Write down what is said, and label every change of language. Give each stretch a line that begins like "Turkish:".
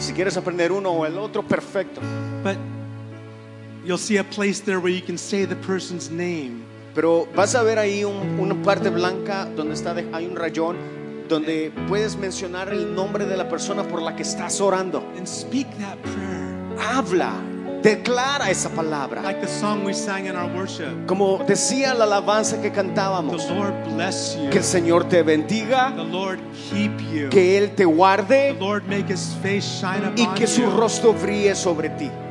Spanish: Si quieres aprender uno o el otro, perfecto.
English: But you'll see a place there where you can say the person's name.
Spanish: Pero vas a ver ahí una parte blanca donde está hay un rayón donde puedes mencionar el nombre de la persona por la que estás orando.
English: And speak that prayer.
Spanish: Habla, declara esa palabra.
English: Like the song we sang in our worship.
Spanish: Como decía la alabanza que cantábamos.
English: The Lord bless you.
Spanish: Que el Señor te bendiga.
English: The Lord keep you.
Spanish: Que Él te guarde.
English: The Lord make His face shine upon
Spanish: y que su
English: you.
Spanish: Rostro brille sobre ti.